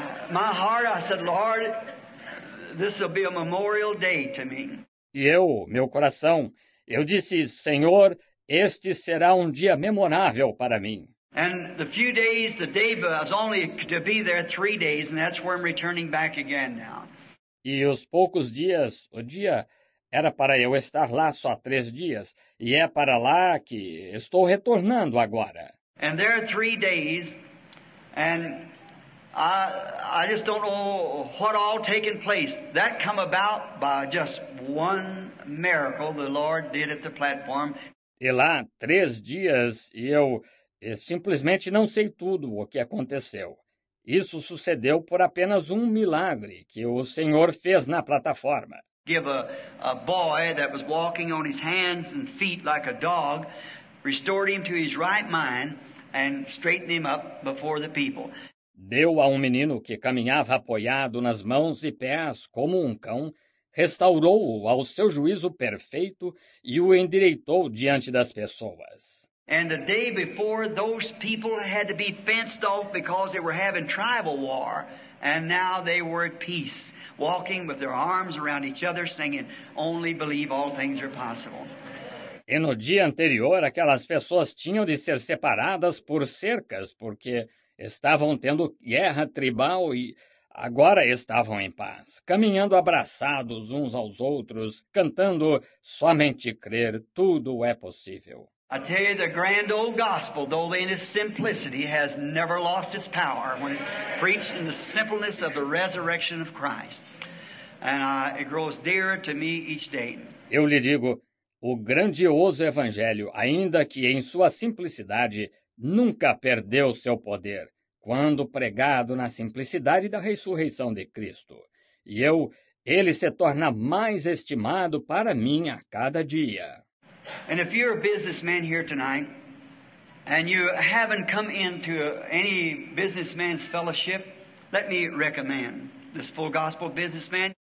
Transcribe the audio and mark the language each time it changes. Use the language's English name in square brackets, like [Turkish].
[English] My heart, I said, Lord, this will be a memorial day to me. [Portuguese] E eu, meu coração, eu disse, Senhor, este será um dia memorável para mim. [English] And the few days, the day, I was only to be there 3 days, and that's where I'm returning back again now. [Portuguese] E os poucos dias, o dia, era para eu estar lá só 3 dias, e é para lá que estou retornando agora. [English] And there are 3 days, and I just don't know what all taken place. That come about by just one miracle the Lord did at the platform. [Portuguese] E lá, 3 dias, e eu... E simplesmente não sei tudo o que aconteceu. Isso sucedeu por apenas um milagre que o Senhor fez na plataforma. [English] Give a boy that was walking on his hands and feet like a dog, restored him to his right mind and straightened him up before the people. [Portuguese] Deu a um menino que caminhava apoiado nas mãos e pés como um cão, restaurou-o ao seu juízo perfeito e o endireitou diante das pessoas. [English] And the day before, those people had to be fenced off because they were having tribal war. And now they were at peace, walking with their arms around each other, singing, Only believe all things are possible. [Portuguese] E no dia anterior, aquelas pessoas tinham de ser separadas por cercas, porque estavam tendo guerra tribal e agora estavam em paz, caminhando abraçados uns aos outros, cantando, Somente crer, tudo é possível. [English] I tell you, the grand old gospel, though in its simplicity, has never lost its power when it's preached in the simpleness of the resurrection of Christ. And it grows dearer to me each day. [Portuguese] Eu lhe digo, o grandioso evangelho, ainda que em sua simplicidade, nunca perdeu seu poder, quando pregado na simplicidade da ressurreição de Cristo. E ele se torna mais estimado para mim a cada dia. [English] And if you're a businessman here tonight, and you haven't come into any businessman's fellowship, let me recommend this full gospel businessman.